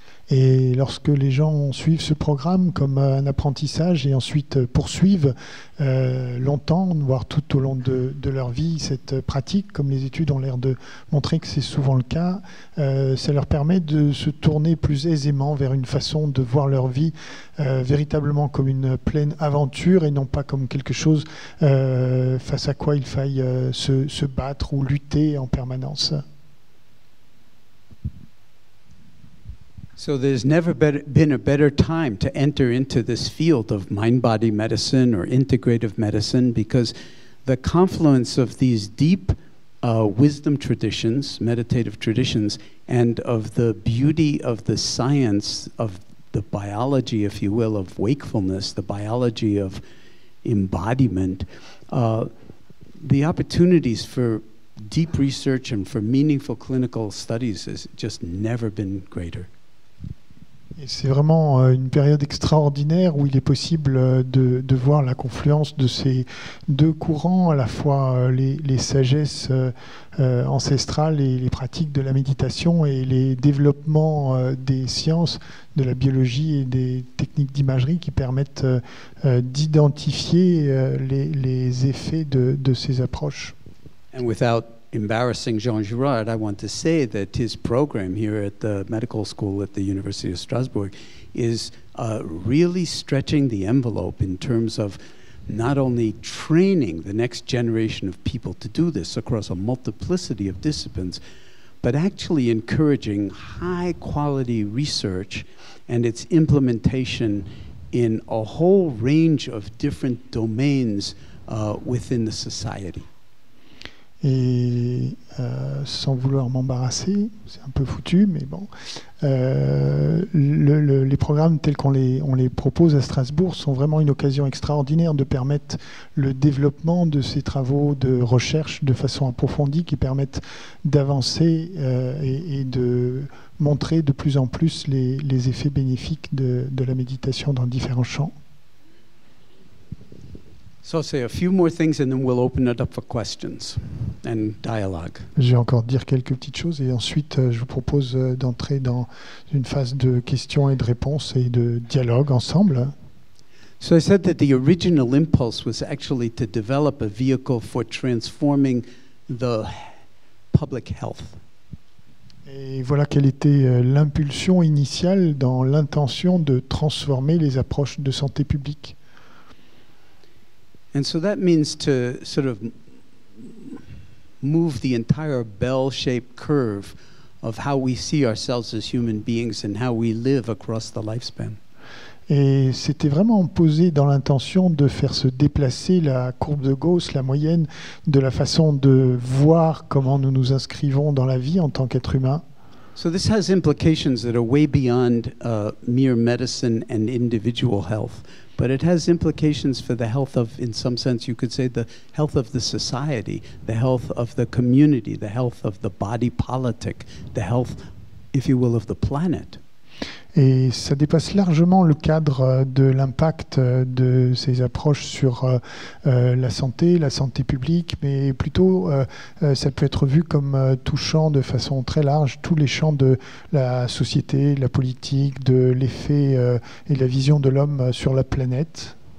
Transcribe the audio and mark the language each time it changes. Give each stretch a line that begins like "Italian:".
French: Et lorsque les gens suivent ce programme comme un apprentissage et ensuite poursuivent longtemps, voire tout au long de leur vie, cette pratique, comme les études ont l'air de montrer que c'est souvent le cas, ça leur permet de se tourner plus aisément vers une façon de voir leur vie véritablement comme une pleine aventure et non pas comme quelque chose face à quoi il faille se battre ou lutter en permanence.
English: So there's never been a better time to enter into this field of mind-body medicine or integrative medicine, because the confluence of these deep wisdom traditions, meditative traditions, and of the beauty of the science, of the biology, if you will, of wakefulness, the biology of embodiment, the opportunities for deep research and for meaningful clinical studies has just never been greater.
French: Et c'est vraiment une période extraordinaire où il est possible de voir la confluence de ces deux courants, à la fois les sagesses ancestrales et les pratiques de la méditation et les développements des sciences, de la biologie et des techniques d'imagerie qui permettent d'identifier les effets de ces approches.
English: And without embarrassing Jean Girard, I want to say that his program here at the medical school at the University of Strasbourg is really stretching the envelope in terms of not only training the next generation of people to do this across a multiplicity of disciplines, but actually encouraging high quality research and its implementation in a whole range of different domains within the society.
French: Et sans vouloir m'embarrasser, c'est un peu foutu, mais bon, les programmes tels qu'on les propose à Strasbourg sont vraiment une occasion extraordinaire de permettre le développement de ces travaux de recherche de façon approfondie qui permettent d'avancer et de montrer de plus en plus les effets bénéfiques de la méditation dans différents champs.
English: So I'll say a few more things and then we'll open it up for questions and dialogue.
French: Je vais encore dire quelques petites choses et ensuite je vous propose d'entrer dans une phase de questions et de réponses et de dialogue ensemble.
English: So I said that the original impulse was actually to develop a vehicle for transforming the public health.
French: Et voilà quelle était l'impulsion initiale dans l'intention de transformer les approches de santé publique.
English: And so that means to sort of move the entire bell-shaped curve of how we see ourselves as human beings and how we live across the lifespan.
French: Et c'était vraiment posé dans l'intention de faire se déplacer la courbe de Gauss, la moyenne, de la façon de voir comment nous nous inscrivons dans la vie en tant qu'être humain.
English: So this has implications that are way beyond mere medicine and individual health. But it has implications for the health of, in some sense, you could say, the health of the society, the health of the community, the health of the body politic, the health, if you will, of the planet.
French: Et ça dépasse largement le cadre de l'impact de ces approches sur la santé publique, mais plutôt ça peut être vu comme touchant de façon très large tous les champs de la société, la politique, de l'effet et la vision de l'homme sur la planète.